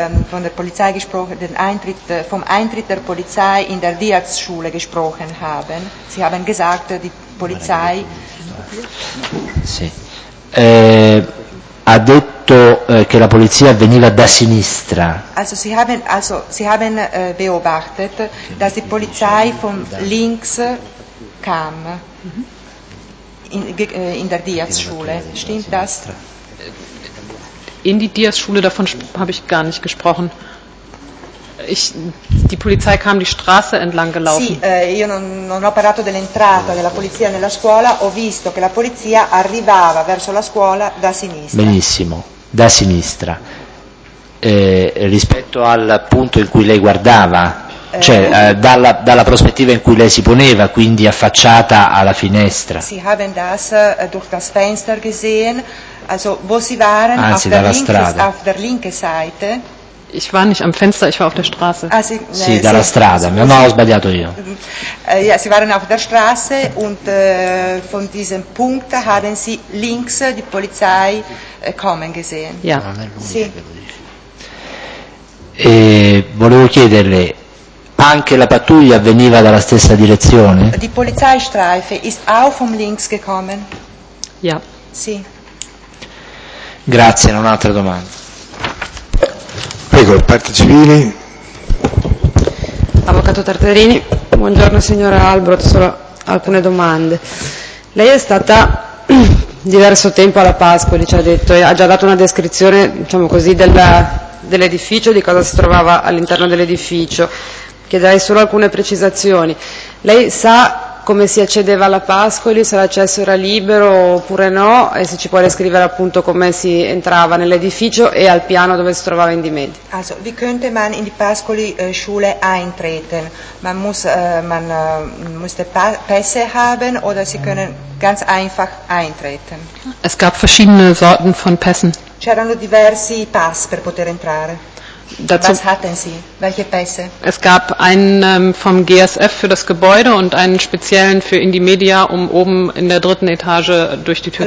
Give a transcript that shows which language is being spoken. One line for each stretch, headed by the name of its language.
German: Von der Polizei gesprochen, vom Eintritt der Polizei in der Diaz-Schule gesprochen haben. Sie haben gesagt, die Polizei...
Italian: Sì. Ha detto che la polizia veniva da sinistra.
German: Sie haben beobachtet, dass die Polizei von links... kam in der Diaz-Schule. Stimmt das? In die Diaz-Schule, davon habe ich gar nicht gesprochen. Die Polizei kam die Straße entlang gelaufen.
Italian: Sì, io non ho parlato dell'entrata della polizia nella scuola, ho visto che la polizia arrivava verso la scuola da sinistra. Benissimo, da sinistra. Rispetto al punto in cui lei guardava... cioè dalla prospettiva in cui lei si poneva, quindi affacciata alla finestra.
German: Sie haben das durch das Fenster gesehen, also wo Sie waren,
Italian: anzi, dalla strada.
German: Auf der linken Seite. Ich war nicht am Fenster, ich war auf der Straße.
Italian: Ah, sì, dalla strada, ma ho sbagliato io.
German: Ja, Sie waren auf der Straße und von diesem Punkt haben Sie links die Polizei kommen gesehen. Ja.
Italian: Sì. E volevo chiederle, anche la pattuglia veniva dalla stessa direzione?
German: Die Polizeistreife ist auch vom links gekommen. Ja.
Italian: Sì. Grazie, un'altra domanda. Prego, parte civili. Avvocato Tartarini, buongiorno signora Albrot, solo alcune domande. Lei è stata diverso tempo alla Pascoli, ci ha detto, e ha già dato una descrizione, diciamo così, dell'edificio, di cosa si trovava all'interno dell'edificio. Chiederei solo alcune precisazioni. Lei sa come si accedeva alla Pascoli, se l'accesso era libero oppure no, e se ci può descrivere appunto come si entrava nell'edificio e al piano dove si trovava in dimenti.
German: Also, wie könnte man in die Pascoli Schule eintreten? Man musste Pässe haben oder sie können ganz einfach eintreten? Es gab verschiedene Sorten von Pässen.
Italian: C'erano diversi Pass per poter entrare.
German: Dazu, was hatten Sie? Welche Pässe? Es gab einen vom GSF für das Gebäude und einen speziellen für Indymedia, um oben in der dritten Etage durch die Tür